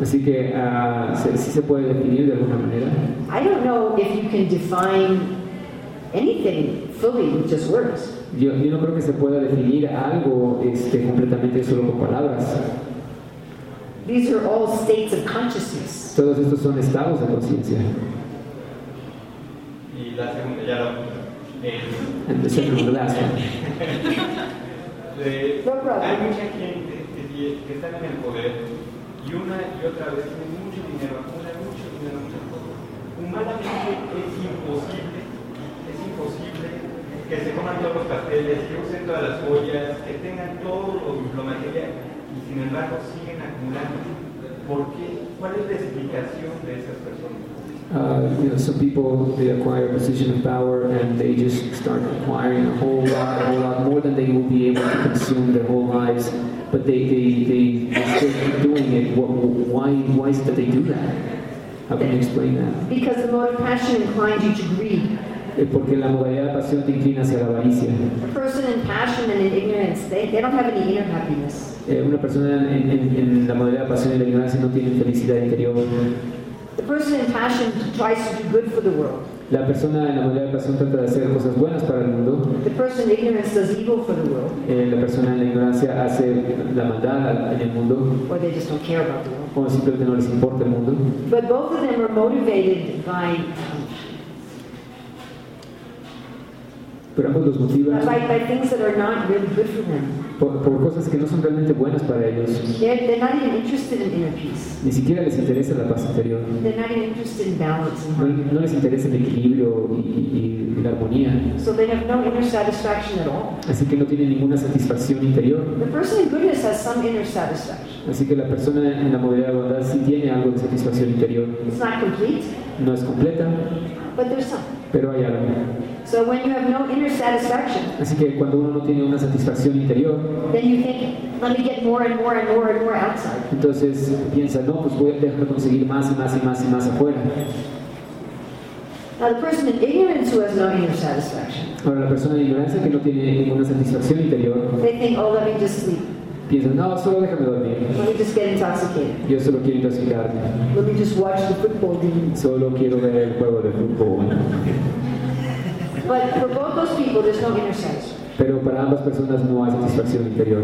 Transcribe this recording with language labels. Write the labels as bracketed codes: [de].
[es] Así que se puede definir de alguna manera. [en] I don't know if you can define anything fully with just words. [es] Yo no creo que se pueda definir algo completamente solo con palabras. [en] These are all states of consciousness. [es] Todos estos son estados de conciencia. Y la segunda ya lo. [en] And the second one, the last one. No problem. [es] Hay mucha gente que está en el poder y una y otra vez tiene mucho dinero, acumula mucho dinero, mucho poder. Humanamente es imposible que se coman todos los pasteles, que usen todas las joyas, que tengan todo lo material. Sin embargo, siguen acumulando. ¿Por qué? ¿cuál es la explicación de esas personas? [en] Some people, they acquire a position of power and they just start acquiring a whole lot more than they will be able to consume their whole lives, but they still keep doing it. Why is it that they do that? How can you explain that? Because the mode of passion inclines you to greed. [es] Porque la modalidad de pasión te inclina hacia la avaricia. [en] A person in passion and in ignorance, they don't have any inner happiness. [es] Una persona en la modalidad de pasión y la ignorancia no tiene felicidad interior. [en] The person in passion tries to do good for the world. [es] La persona en la modalidad de pasión trata de hacer cosas buenas para el mundo. [en] The person in ignorance does evil for the world. [es] La persona en la ignorancia hace la maldad en el mundo. [en] Or they just don't care about the world. [es] O simplemente no les importa el mundo. [en] But both of them are motivated by. [es] Pero ambos los motivan. [en] By things that are not really good for them. [es] Por cosas que no son realmente buenas para ellos. Ni siquiera les interesa la paz interior. No les interesa el equilibrio y la armonía. [en] So they have no inner satisfaction at all. [es] Así que no tienen ninguna satisfacción interior. [en] The person in goodness has some inner satisfaction. [es] Así que la persona en la modalidad de bondad sí tiene algo de satisfacción interior. [en] It's not complete. [es] No es completa. [en] But there's some. [es] Pero hay algo. [en] So when you have no inner satisfaction, [es] así que cuando uno no tiene una satisfacción interior, [en] then you think, let me get more and more and more and more outside. [es] Entonces piensa, no, pues voy a dejar de conseguir más y más y más y más afuera. [en] Now the person in ignorance who has no inner satisfaction. [es] Ahora la persona de ignorancia que no tiene ninguna satisfacción interior. [en] They think, oh, let me just sleep. [es] Piensan, no, solo déjame dormir. [en] Let me just get intoxicated. [es] Yo solo quiero intoxicarme. [en] Let me just watch the football game. [es] Solo quiero ver el juego de fútbol. [en] But for both those people, there's no inner sense. [es] Pero para ambas personas no hay satisfacción interior.